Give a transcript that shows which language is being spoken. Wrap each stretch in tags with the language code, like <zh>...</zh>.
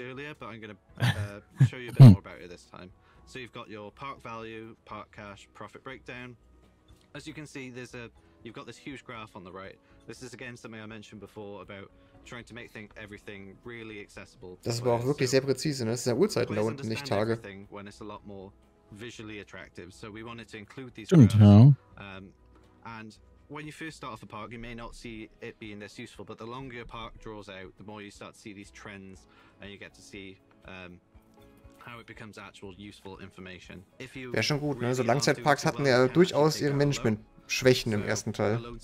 <en>Earlier, but I'm going to show you a bit more about it this time. So you've got your park value, park cash, profit breakdown. As you can see, there's a you've got this huge graph on the right. This is again something I mentioned before about trying to make things everything really accessible.</en> <de>Das war auch wirklich sehr präzise, ne? Das sind ja Uhrzeiten da unten, nicht Tage.</de> <en>When it's a lot more visually attractive. So we wanted to include these graphs. And when you first start off a park, you may not see it being this useful, but the longer your park draws out, the more you start to see these trends and you get to see how it becomes actual useful information. If you</en> <de>wäre schon gut, ne? So Langzeitparks hatten ja durchaus ihren Management Schwächen im ersten Teil.</de>